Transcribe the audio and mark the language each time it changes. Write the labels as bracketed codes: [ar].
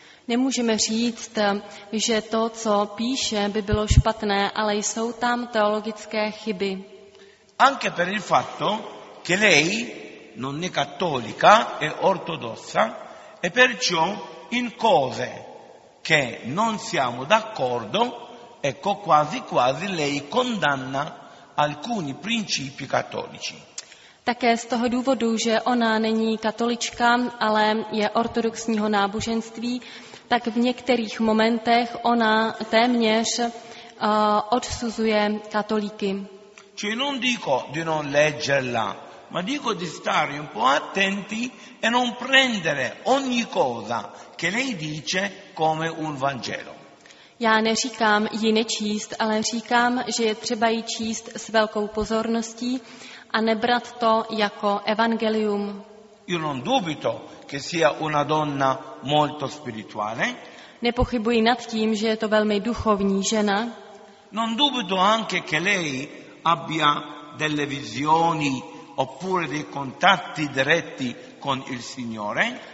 [cs] Nemůžeme říct, že to, co píše, by bylo špatné, ale jsou tam teologické chyby. [it] Anche per il fatto che lei non è cattolica, è ortodossa, e perciò in cose che non siamo d'accordo, ecco, quasi quasi lei condanna alcuni principi cattolici. [cs] Také z toho důvodu, že ona není katolička, ale je ortodoxního náboženství, tak v některých momentech ona téměř odsuzuje katolíky. [it] Cioè non dico di non leggerla, ma dico di stare un po' attenti e non prendere ogni cosa che lei dice come un Vangelo. [cs] Já neříkám ji nečíst, ale říkám, že je třeba ji číst s velkou pozorností a nebrat to jako evangelium. [it] Io non dubito che sia una donna molto spirituale. [cs] Nepochybuji nad tím, že je to velmi duchovní žena. [it] Non dubito anche che lei abbia delle visioni oppure dei contatti diretti con il Signore.